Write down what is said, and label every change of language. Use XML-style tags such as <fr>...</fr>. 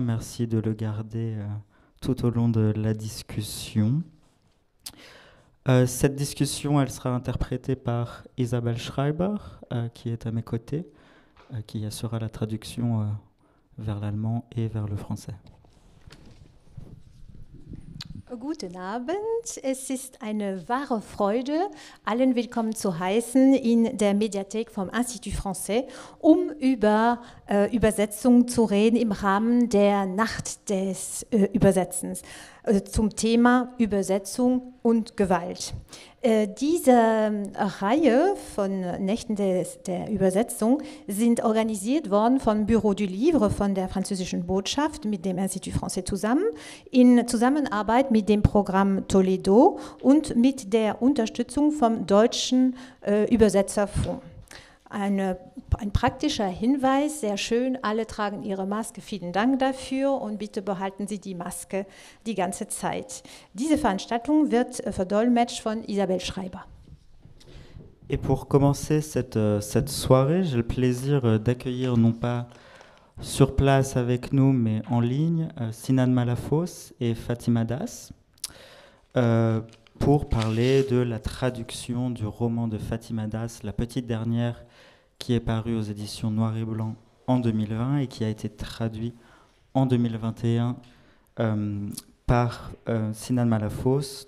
<fr>Merci de le garder tout au long de la discussion. Cette discussion, elle sera interprétée par Isabelle Schreiber, qui est à mes côtés, qui assurera la traduction vers l'allemand et vers le français.</fr> <de>Guten Abend. Es ist eine wahre Freude, allen willkommen zu heißen in der Mediathek vom Institut Français, um über Übersetzung zu reden im Rahmen der Nacht des Übersetzens zum Thema Übersetzung und Gewalt. Diese Reihe von Nächten der Übersetzung sind organisiert worden vom Bureau du Livre, von der französischen Botschaft mit dem Institut Français zusammen, in Zusammenarbeit mit dem Programm Toledo und mit der Unterstützung vom deutschen Übersetzerfonds. Ein praktischer Hinweis, sehr schön, alle tragen ihre Maske, vielen Dank dafür und bitte behalten Sie die Maske die ganze Zeit. Diese Veranstaltung wird verdolmetscht von Isabelle Schreiber.</de> <fr>Et pour commencer cette soirée, j'ai le plaisir d'accueillir, non pas sur place avec nous, mais en ligne, Sinan Malafos et Fatima Das, pour parler de la traduction du roman de Fatima Das, La Petite Dernière, qui est paru aux éditions Noir et Blanc en 2020 et qui a été traduit en 2021 par Sinan Malafos.</fr>